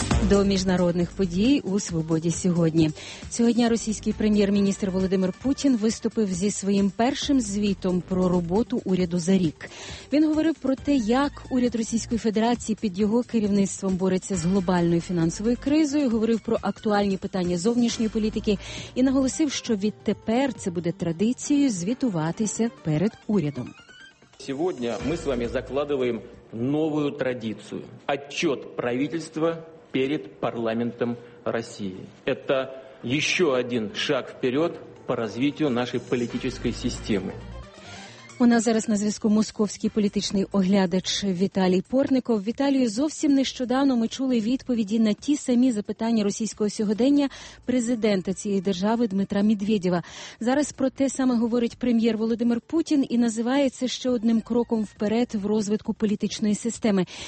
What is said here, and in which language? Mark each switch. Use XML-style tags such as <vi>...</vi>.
<uk>до міжнародних подій у «Свободі сьогодні». Сьогодні російський прем'єр-міністр Володимир Путін виступив зі своїм першим звітом про роботу уряду за рік. Він говорив про те, як уряд Російської Федерації під його керівництвом бореться з глобальною фінансовою кризою, говорив про актуальні питання зовнішньої політики і наголосив, що відтепер це буде традицією звітуватися перед урядом.</uk> <ru>Сегодня мы с вами закладываем новую традицию – отчет правительства перед парламентом России. Это еще один шаг вперед по развитию нашей политической системы.</ru> <uk>У нас зараз на зв'язку московський політичний оглядач Віталій Порников. Віталію, зовсім нещодавно ми чули відповіді на ті самі запитання російського сьогодення президента цієї держави Дмитра Медведєва. Зараз про те саме говорить прем'єр Володимир Путін і називає це ще одним кроком вперед в розвитку політичної системи.</uk>